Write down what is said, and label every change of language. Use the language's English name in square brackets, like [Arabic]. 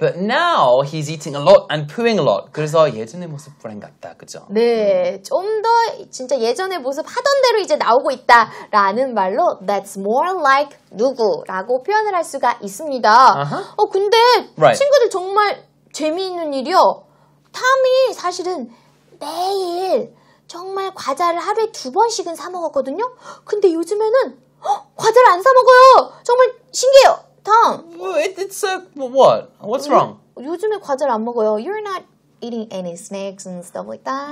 [English] but now he's eating a lot and pooing a lot. [Korean] 그래서 예전의 모습 보는 것 같다, 그죠? 네, 좀 더 진짜 예전의 모습 하던 대로 이제 나오고 있다라는 말로 [English] That's more like [Korean] 누구라고 표현을 할 수가 있습니다. Uh-huh. 어, 근데 right. 친구들 정말 재미있는 일이요. 탐이 사실은 매일 정말 과자를 하루에 두 번씩은 사 먹었거든요. 근데 요즘에는 과자를 안 사 먹어요. 정말 신기해요. Tom. [English] It's a what? What's wrong? [Korean] 요즘에 과자를 안 먹어요. [English] You're not eating any snacks and stuff like that.